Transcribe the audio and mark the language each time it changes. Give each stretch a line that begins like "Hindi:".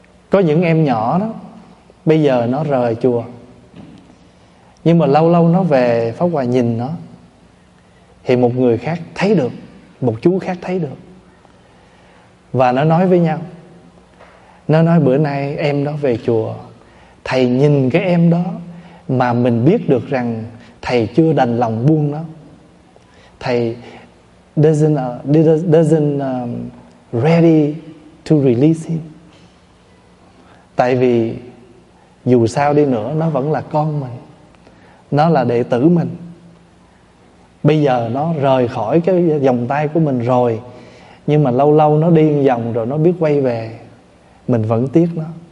Vietnamese: Có những em nhỏ đó, bây giờ nó rời chùa, nhưng mà lâu lâu nó về Pháp Hòa nhìn nó, thì một người khác thấy được, một chú khác thấy được. Và nó nói với nhau, nó nói bữa nay em đó về chùa, thầy nhìn cái em đó mà mình biết được rằng thầy chưa đành lòng buông nó.
English: Thầy doesn't ready to release him.
Vietnamese: Tại vì dù sao đi nữa nó vẫn là con mình, nó là đệ tử mình. Bây giờ nó rời khỏi cái vòng tay của mình rồi, nhưng mà lâu lâu nó đi vòng rồi nó biết quay về, mình vẫn tiếc nó.